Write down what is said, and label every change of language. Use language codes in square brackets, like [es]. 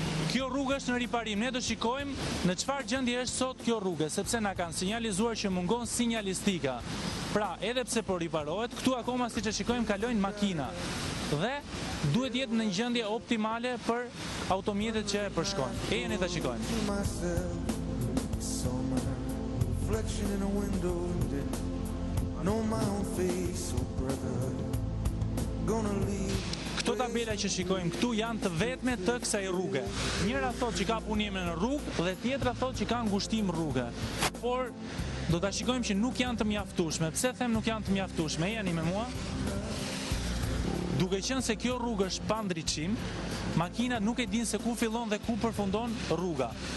[sq] Kjo rrugë është në riparim. Ne do shikojmë në çfarë gjendje është sot kjo rrugë, sepse na kanë sinjalizuar që mungon sinjalistika. Pra, edhe pse po riparohet, këtu akoma siç e shikojmë kalojnë makina. Dhe duhet jetë në një gjendje optimale për automjetet që e përshkojnë. E jeni ta shikojnë. [en] Reflection in a window and I know my own face, oh brother, gonna leave. [sq] Këto tabela që shikojmë këtu janë të vetme të kësaj rrugë. Njëra thot që ka punime në rrugë dhe tjetra thot që ka ngushtim rrugë. Por do ta shikojmë që nuk janë të mjaftueshme. Pse them nuk janë të mjaftueshme? Jeni me mua? Duke qenë se kjo rrugë është pa ndriçim, makina nuk e din se ku fillon dhe ku përfundon rruga.